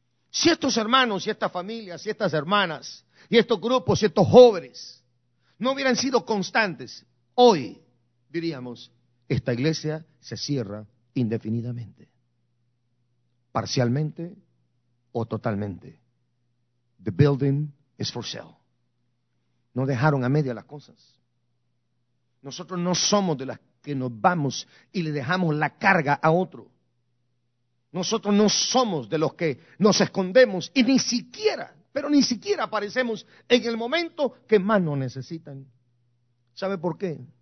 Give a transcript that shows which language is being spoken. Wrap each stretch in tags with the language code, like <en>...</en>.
<es>Si estos hermanos y estas familias y estas hermanas y estos grupos y estos jóvenes no hubieran sido constantes, hoy diríamos, esta iglesia se cierra indefinidamente, parcialmente o totalmente.</es> <en>The building is for sale.</en> <es>No dejaron a media las cosas. Nosotros no somos de las que nos vamos y le dejamos la carga a otro. Nosotros no somos de los que nos escondemos y ni siquiera, pero ni siquiera aparecemos en el momento que más nos necesitan. ¿Sabe por qué?</es>